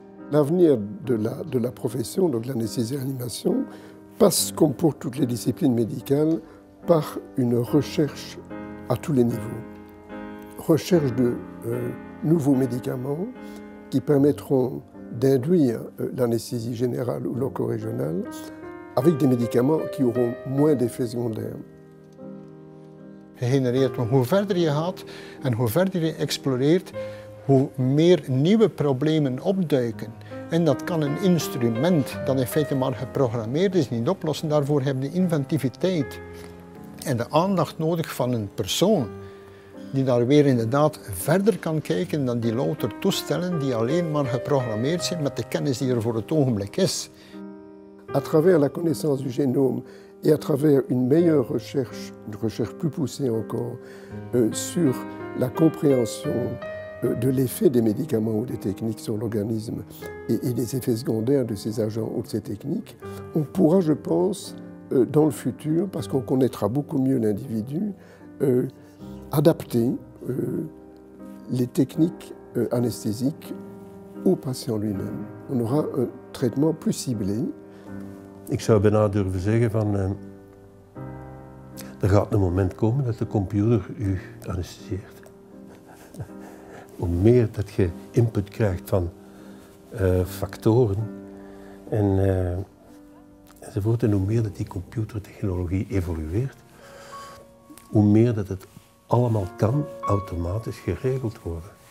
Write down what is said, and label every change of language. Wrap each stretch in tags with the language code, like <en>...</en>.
<fr>L'avenir de la profession, donc de l'anesthésie et l'animation, passe, comme pour toutes les disciplines médicales, par une recherche à tous les niveaux. Recherche de nouveaux médicaments qui permettront d'induire l'anesthésie générale ou loco-régionale avec des médicaments qui auront moins d'effets secondaires.</fr> <nl>Gegenereerd, maar hoe verder je gaat en hoe verder je exploreert, hoe meer nieuwe problemen opduiken. En dat kan een instrument dat in feite maar geprogrammeerd is niet oplossen. Daarvoor heb je de inventiviteit en de aandacht nodig van een persoon die daar weer inderdaad verder kan kijken dan die louter toestellen die alleen maar geprogrammeerd zijn met de kennis die er voor het ogenblik is.</nl> <fr>À travers la connaissance du génome, et à travers une meilleure recherche, une recherche plus poussée encore, sur la compréhension de l'effet des médicaments ou des techniques sur l'organisme et les effets secondaires de ces agents ou de ces techniques, on pourra, je pense, dans le futur, parce qu'on connaîtra beaucoup mieux l'individu, adapter les techniques anesthésiques au patient lui-même. On aura un traitement plus ciblé.</fr> <nl>Ik zou bijna durven zeggen van, er gaat een moment komen dat de computer u anesthesieert. Hoe meer dat je input krijgt van factoren enzovoort, en hoe meer dat die computertechnologie evolueert, hoe meer dat het allemaal kan automatisch geregeld worden.</nl>